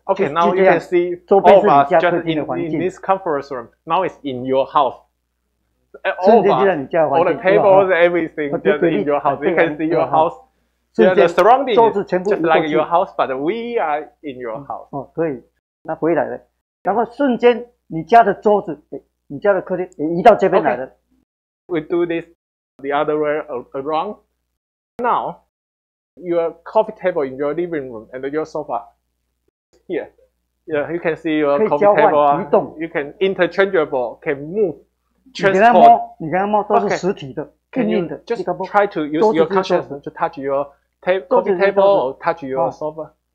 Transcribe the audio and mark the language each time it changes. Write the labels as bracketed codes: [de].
[en] Okay, now you can see [zh] 周边是你家客厅的环境。 [en] In this conference room, now it's in your house. All the tables, everything, just in your house. You can see your house. The surrounding is just like your house, but we are in your house. [zh] 哦，可以。那回来了，然后瞬间你家的桌子，你家的客厅移到这边来了。 [en] We do this. The other way around. Now, your coffee table in your living room and your sofa here. Yeah, you can see your coffee table. You can interchangeable, can move, transport. [zh] 你跟他摸都是实体的。 [en] Okay. Can you just try to use your consciousness to touch your coffee table or touch your sofa?